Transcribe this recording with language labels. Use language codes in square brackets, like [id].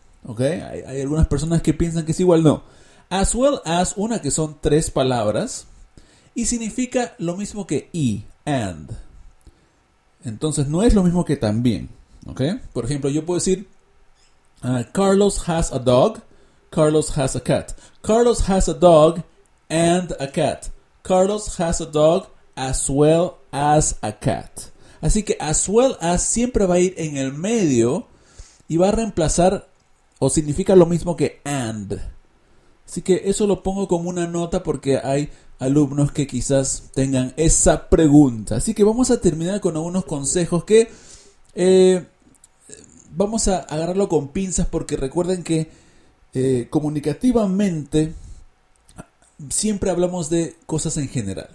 [es] Okay, hay algunas personas que piensan que es igual, no. As well as, una que son tres palabras y significa lo mismo que y, and. Entonces no es lo mismo que también, okay. Por ejemplo, yo puedo decir [en] Carlos has a dog, Carlos has a cat. Carlos has a dog and a cat. Carlos has a dog as well as a cat. [es] Así que as well as siempre va a ir en el medio y va a reemplazar o significa lo mismo que and. Así que eso lo pongo como una nota porque hay alumnos que quizás tengan esa pregunta. Así que vamos a terminar con algunos consejos que vamos a agarrarlo con pinzas porque recuerden que comunicativamente siempre hablamos de cosas en general.